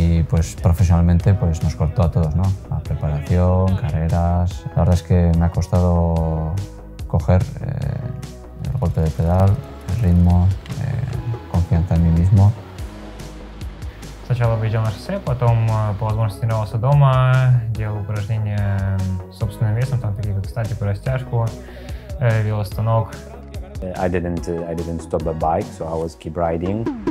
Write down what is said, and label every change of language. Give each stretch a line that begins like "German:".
Spanish: Pues profesionalmente pues nos cortó a todos, ¿no? La preparación, carreras. La verdad es que me ha costado coger el golpe de pedal, el ritmo, confianza en mí mismo.
Russian: Сначала выезжал на шоссе, потом по возможности тренировался дома, делал упражнения собственным весом, там такие как статику, про растяжку, велостанок.
English: I didn't stop the bike, so I was keep riding.